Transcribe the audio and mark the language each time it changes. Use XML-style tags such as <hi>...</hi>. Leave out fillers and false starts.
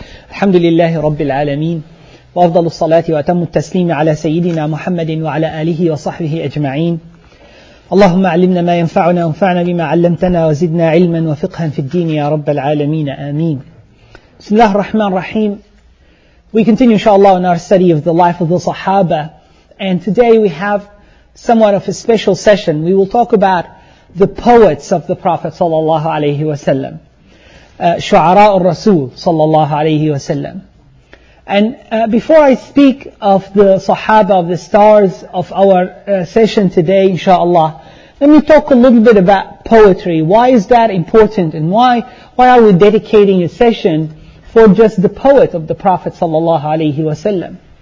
<ar>الحمد لله رب العالمين، وأفضل الصلاة وأتم التسليم على سيدنا محمد وعلى آله وصحبه أجمعين. اللهم علمنا ما ينفعنا وانفعنا بما علمتنا وزدنا علما وفقها في الدين يا رب العالمين، آمين. بسم الله الرحمن الرحيم.</ar> <en>We continue inshallah in our study of the life of the Sahaba, and today we have somewhat of a special session. We will talk about the poets of the Prophet</en> <ar>صلى الله عليه وسلم. شعراء الرسول صلى الله عليه وسلم.</ar> <en>And before I speak of the Sahaba, of the stars of our session today, inshallah, let me talk a little bit about poetry. Why is that important, and why are we dedicating a session for just the poet of the Prophet</en> <ar>صلى الله عليه وسلم?</ar>